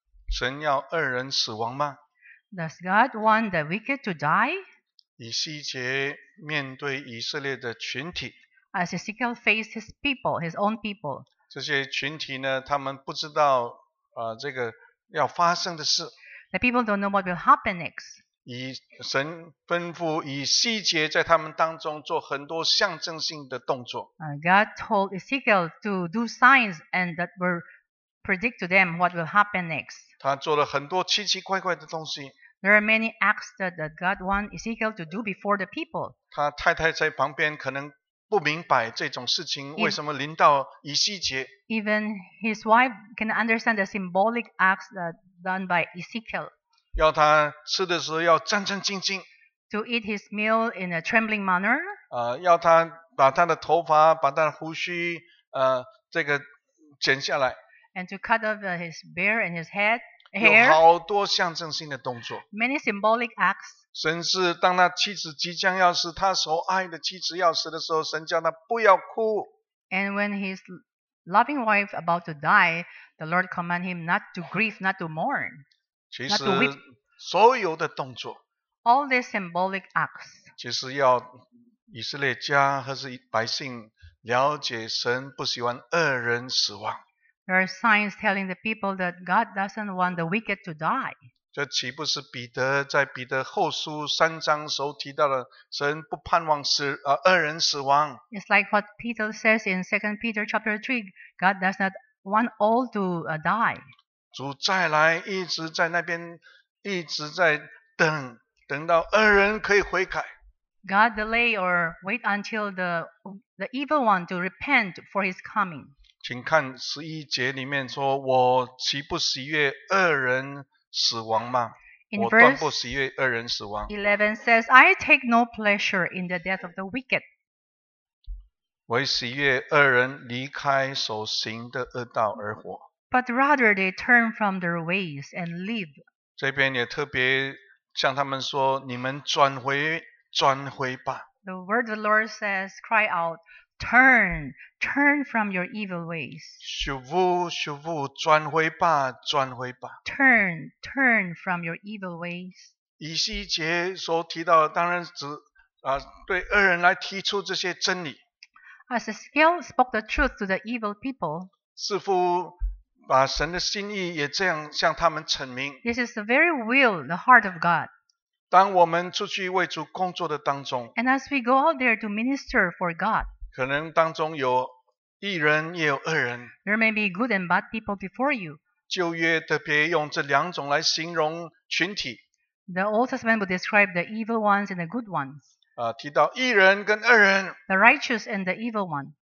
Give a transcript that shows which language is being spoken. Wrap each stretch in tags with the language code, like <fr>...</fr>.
<zh>神要恶人死亡吗</zh> <en>Does God want the wicked to die?</en> <zh>以西结面对以色列的群体</zh> <en>As Ezekiel faced his people, his own people,</en> <zh>这些群体呢他们不知道这个要发生的事。</zh> <en>The people don't know what will happen next.</en> <zh>以神吩咐以西结在他们当中做很多象征性的动作。</zh> <en>God told Ezekiel to do signs and that will predict to them what will happen next.</en> <zh>他做了很多奇奇怪怪的东西。</zh> <en>There are many acts that God wants Ezekiel to do before the people.</en> <zh>他太太在旁边可能不明白这种事情为什么临到以西结。</zh> <en>Even his wife can understand the symbolic acts done by Ezekiel.</en> <zh>要他吃的时候要战战兢兢。</zh> <en>To eat his meal in a trembling manner.</en> <zh>要他把他的头发把他的胡须这个剪下来。</zh> <en>And to cut off his beard and his head,</en> <zh>有好多象征性的动作。</zh> <en>Many symbolic acts.</en> <zh>甚至当他妻子即将要死他所爱的妻子要死的时候神叫他不要哭。</zh> <en>And when his loving wife about to die, the Lord commanded him not to grieve, not to mourn, not to weep.</en> <zh>其实所有的动作</zh> <en>All these symbolic acts.</en> <zh>其实要以色列家和是百姓了解神不喜欢恶人死亡。</zh> <en>There are signs telling the people that God doesn't want the wicked to die.</en> <zh>这岂不是彼得在彼得后书三章时候提到的神不盼望恶人死亡。</zh> <en>It's like what Peter says in 2 Peter chapter 3, God does not want all to die.</en> <zh>主再来一直在那边一直在等等到恶人可以悔改。</zh> <en>God delay or wait until the evil one to repent for his coming.</en> <zh>请看十一节里面说，我岂不喜悦恶人死亡吗？我断不喜悦恶人死亡。</zh> <en>11 says, I take no pleasure in the death of the wicked.</en> <zh>我喜悦恶人离开所行的恶道而活。</zh> <en>But rather they turn from their ways and live.</en> <zh>这边也特别向他们说，你们转回。转回吧。</zh> <en>The word of the Lord says, cry out, turn, turn from your evil ways.</en> <zh>修复修复转回吧转回吧。</zh> <en>Turn, turn from your evil ways.</en> <zh>以西结所提到的当然只、对恶人来提出这些真理。</zh> <en>As Ezekiel spoke the truth to the evil people,</en> <zh>似乎把神的心意也这样向他们陈明。</zh> <en>This is the very will, the heart of God.</en> <zh>当我们出去为主工作的当中</zh> <en>And as we go out there to minister for God,</en> <zh>可能当中有义人也有恶人</zh> <en>There may be good and bad people before you.</en> <zh>旧约特别用这两种来形容群体</zh> <en>The Old Testament will describe the evil ones and the good ones.</en> <zh>提到义人跟恶人</zh> <en>The righteous and the evil one.</en>